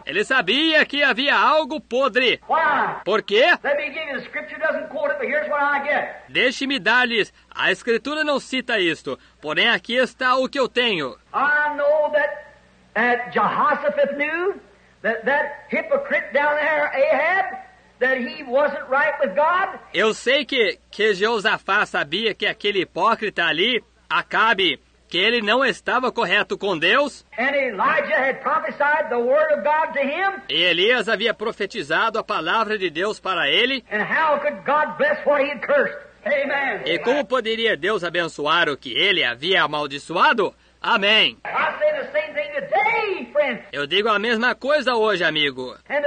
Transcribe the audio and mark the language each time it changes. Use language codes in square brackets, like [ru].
[pt] Ele sabia que havia algo podre. [en] Why? [pt] Por quê? [en] Let me give you, the scripture doesn't quote it, but here's what I get. [pt] Deixe-me dar-lhes. A escritura não cita isto, porém aqui está o que eu tenho. [en] I know that Jehoshaphat knew that hypocrite down there, Ahab, that he wasn't right with God. [pt] Eu sei que Jeosafá sabia que aquele hipócrita ali, Acabe, que ele não estava correto com Deus. [en] And Elijah had prophesied the word of God to him. [pt] E Elias havia profetizado a palavra de Deus para ele. [en] And how could God bless what he had cursed? Amen. [pt] E como poderia Deus abençoar o que ele havia amaldiçoado? Amém. [en] I say the same thing today, friend. [pt] Eu digo a mesma coisa hoje, amigo.